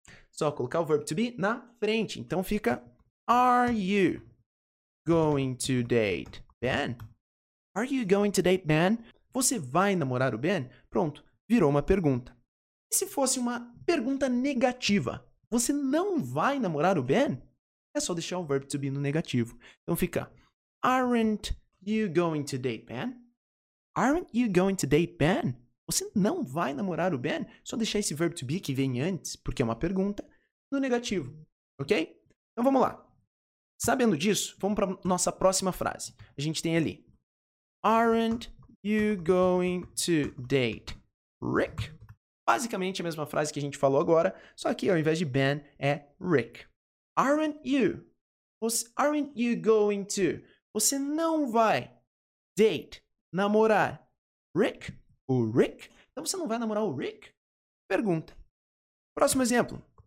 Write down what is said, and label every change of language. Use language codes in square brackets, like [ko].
[pt] Só colocar o verbo to be na frente. Então fica... [en] Are you going to date Ben? Are you going to date Ben? [pt] Você vai namorar o Ben? Pronto, virou uma pergunta. E se fosse uma pergunta negativa? Você não vai namorar o Ben? É só deixar o verbo to be no negativo. Então fica, [en] aren't you going to date Ben? Aren't you going to date Ben? [pt] Você não vai namorar o Ben? Só deixar esse verbo to be que vem antes, porque é uma pergunta, no negativo. Ok? Então vamos lá. Sabendo disso, vamos para nossa próxima frase. A gente tem ali: [en] Aren't you going to date Rick? [pt] Basicamente a mesma frase que a gente falou agora, só que ao invés de Ben é Rick. [en] Aren't you? Aren't you going to? [pt] Você não vai date, namorar Rick? O Rick? Então você não vai namorar o Rick? Pergunta. Próximo exemplo.